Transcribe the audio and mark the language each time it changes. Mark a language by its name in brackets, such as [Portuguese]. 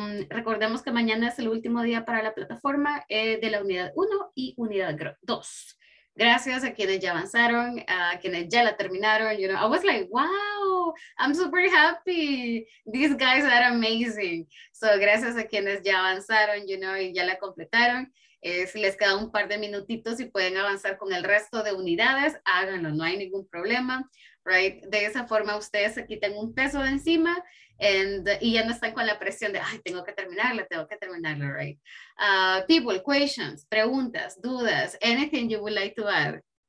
[Spanish] Recordemos que mañana es el último día para la plataforma de la unidad 1 y unidad 2. Gracias a quienes ya avanzaron, a quienes ya la terminaron. [English] You know, I was like, wow, I'm super happy. These guys are amazing. So [Spanish] gracias a quienes ya avanzaron, [English] you know, [Spanish] y ya la completaron. Si les queda un par de minutitos y pueden avanzar con el resto de unidades, háganlo, no hay ningún problema, right? De esa forma ustedes se quitan un peso de encima y ya no están con la presión de, ay, tengo que terminarlo, right? [English] People, questions, [Spanish] preguntas, dudas, [English] anything you would like to add?